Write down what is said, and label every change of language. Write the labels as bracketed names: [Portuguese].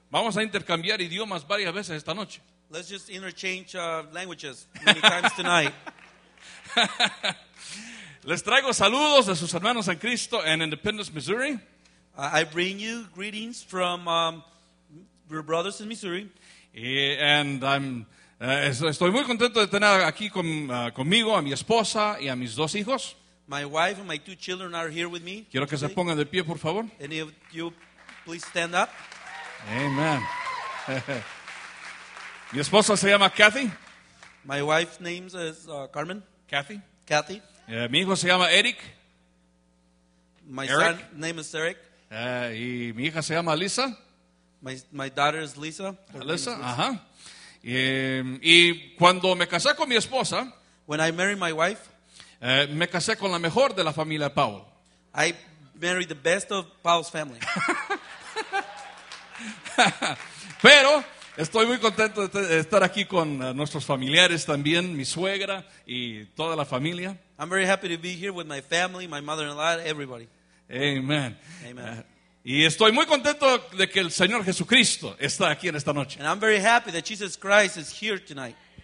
[Spanish] vamos a intercambiar idiomas varias veces esta noche. [English] Let's just interchange languages many times tonight. [Spanish] Les traigo saludos de sus hermanos en Cristo en Independence, Missouri. [English] I bring you greetings from your brothers in Missouri. [Spanish] Estoy muy contento de tener aquí conmigo a mi esposa y a mis dos hijos. [English] My wife and my two children are here with me. [Spanish] Quiero que se pongan de pie, por favor. [English] Any of you, please stand up. Amen. [Spanish] Mi esposa se llama Kathy. [English] My wife's name is Carmen. [Spanish] Kathy. Mi hijo se llama Eric. [English] My son's name is Eric. [Spanish] Y mi hija se llama Lisa. [English] My daughter is Lisa. [Spanish] Lisa, ajá. Y cuando me casé con mi esposa, [English] when I married my wife, [Spanish] me casé con la mejor de la familia Powell. [English] I married the best of Powell's family. [Spanish] Pero estoy muy contento de estar aquí con nuestros familiares también, mi suegra y toda la familia. [English] I'm very happy to be here with my family, my mother-in-law, everybody. Amen. Amen. [Spanish] Y estoy muy contento de que el Señor Jesucristo está aquí en esta noche. [English] And I'm very happy that Jesus Christ is here tonight.